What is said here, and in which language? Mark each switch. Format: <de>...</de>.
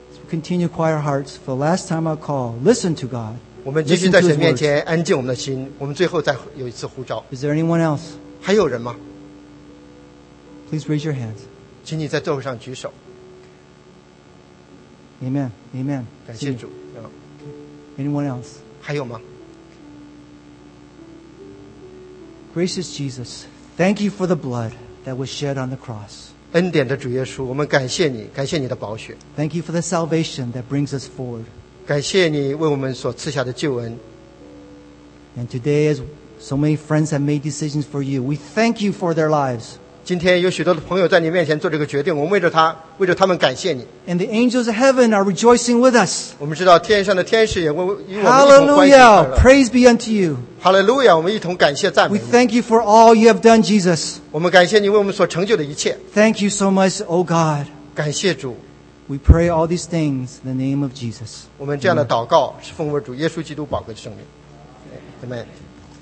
<en>Continue quiet hearts for the last time I call. Listen to God.</en> <zh>我们继续在神面前安静我们的心。我们最后再有一次呼召。</zh> <en>Is there anyone else?</en> <zh>还有人吗？</zh> <en>Please raise your hands.</en> <zh>请你在座位上举手。</zh> <en>Amen. Amen.</en> <zh>感谢主。</zh> <en>Anyone else?</en> <zh>还有吗？</zh> <en>Gracious Jesus, thank you for the blood that was shed on the cross.</en> <zh>恩典的主耶稣，我们感谢你，感谢你的宝血。</zh> <en>Thank you for the salvation that brings us forward.</en> <zh>感谢你为我们所赐下的救恩。</zh> <en>And today, as so many friends have made decisions for you, we thank you for their lives.</en> <zh>今天有许多的朋友在你面前做这个决定，我们为着他们感谢你。</zh> <en>And the angels of heaven are rejoicing with us.</en> <zh>我们知道天上的天使也为我们一同欢喜。</zh> <en>Hallelujah! Praise be unto you.</en> <zh>Hallelujah! 我们一同感谢赞美。</zh> <en>We thank you for all you have done, Jesus.</en> <zh>我们感谢你为我们所成就的一切。</zh> <en>Thank you so much, O God.</en> <zh>感谢主。</zh> <en>We pray all these things in the name of Jesus.</en> <zh>我们这样的祷告是奉我主耶稣基督宝贵的圣名。Amen.</zh>